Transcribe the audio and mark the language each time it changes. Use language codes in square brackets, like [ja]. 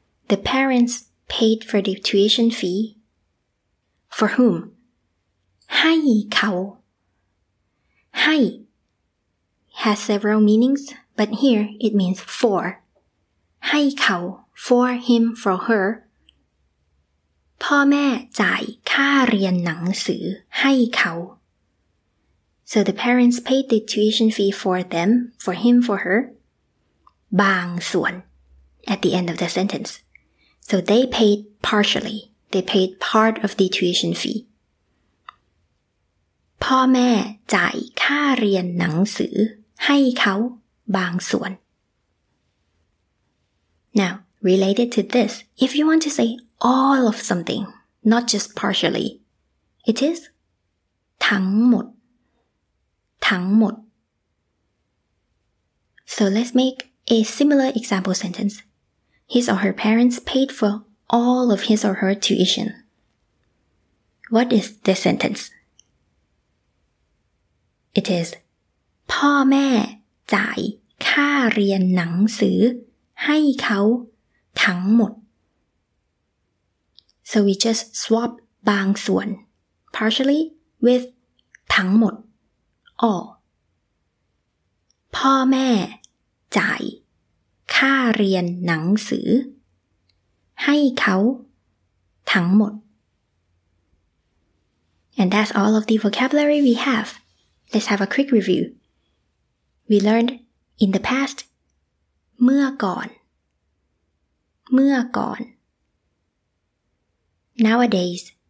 [en] the parents paid for the tuition feeFor whom? [th] ให้เขา ให้ [en] has several meanings, but here it means for. [th] ให้เขา [en] for him, for her. [th] พ่อแม่จ่ายค่าเรียนหนังสือให้เขา [en] So the parents paid the tuition fee for them, for him, for her. [th] บางส่วน [en] at the end of the sentence. So they paid partially. they paid part of the tuition fee. [th] พ่อแม่จ่ายค่าเรียนหนังสือให้เขาบางส่วน [en] Now, related to this, if you want to say all of something, not just partially, it is [th] ทั้งหมดทั้งหมด [en] So let's make a similar example sentence. His or her parents paid for all of his or her tuition. What is this sentence? It is [th] พ่อแม่จ่ายค่าเรียนหนังสือให้เขาทั้งหมด [en] So we just swap [th] บางส่วน [en] partially with [th] ทั้งหมด [en] all [th] พ่อแม่จ่ายค่าเรียนหนังสือให้เขาทั้งหมด [en] And that's all of the vocabulary we have. Let's have a quick review. We learned in the past [th] เมื่อก่อนเมื่อก่อน [en] Nowadays